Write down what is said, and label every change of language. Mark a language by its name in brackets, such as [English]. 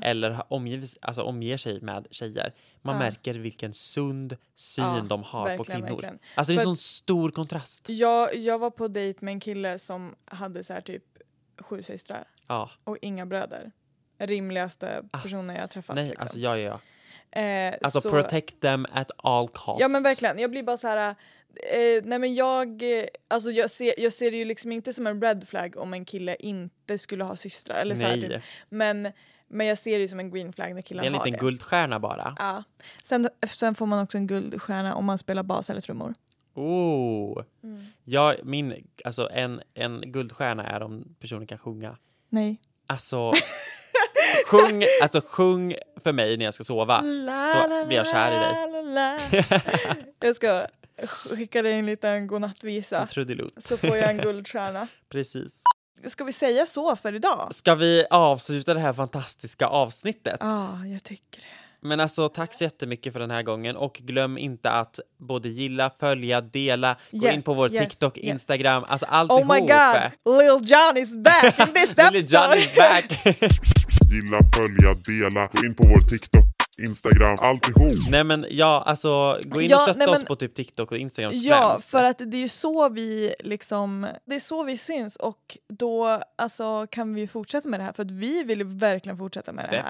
[Swedish] Eller omger sig med tjejer. Man märker vilken sund syn de har på kvinnor. Verkligen. Alltså det är en sån stor kontrast. Jag var på dejt med en kille som hade så här typ 7 systrar. Ja. Och inga bröder. Rimligaste personer jag har träffat. Nej, liksom. Alltså ja. Alltså så, [English] protect them at all costs. [Swedish] Ja, men verkligen. Jag blir bara så här. Nej, men jag ser det ju liksom inte som en red flag om en kille inte skulle ha systrar. Eller nej. Så här, typ. Men jag ser det ju som en green flag när killen har det. Det är en liten guldstjärna bara. Ja. Sen får man också en guldstjärna om man spelar bas eller trummor. Oh. Mm. Ja, alltså en guldstjärna är om personen kan sjunga. Nej. Alltså. Sjung för mig när jag ska sova. La, så blir jag kär i dig. La, la, la. Jag ska skicka dig en liten godnattvisa. Trudelut. Så får jag en guldstjärna. Precis. Ska vi säga så för idag? Ska vi avsluta det här fantastiska avsnittet? Ja, jag tycker det. Men alltså, tack så jättemycket för den här gången. Och glöm inte att både gilla, följa, dela. Gå in på vår TikTok, Instagram. Yes. Alltså allt ihop. [English] Oh my god, Lil Jon is back in this episode. Lil Jon is back. [Swedish] Gilla, följa, dela. Gå in på vår TikTok. Instagram, alltihop. Nej men ja, alltså gå in och stötta oss på typ TikTok och Instagram. Ja, för att det är ju så vi liksom, det är så vi syns och då alltså kan vi ju fortsätta med det här för att vi vill verkligen fortsätta med det här.